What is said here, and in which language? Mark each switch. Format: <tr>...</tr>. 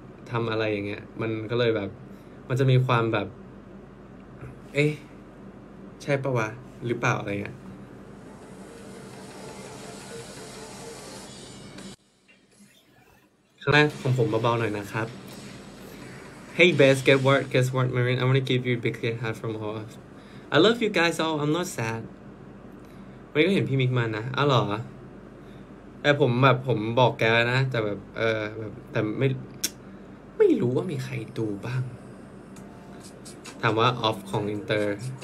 <th>ทำอะไรอย่างเงี้ยมันก็เลยแบบมันจะมีความแบบเอ๊ะใช่ปะวะหรือเปล่าอะไรเงี้ยครั้งแรกของผมเบาๆหน่อยนะครับ</th> <en>Hey, best, guess what, Marin? I want to give you a big hug from all of us. I love you guys all. I'm not sad.</en> <th>วันนี้ก็เห็นพี่มิกมานะอ้าวเหรอแต่ผมบอกแกนะแต่แบบแบบแต่ไม่รู้ว่ามีใครดูบ้างถามว่าออฟของอินเตอร์</th>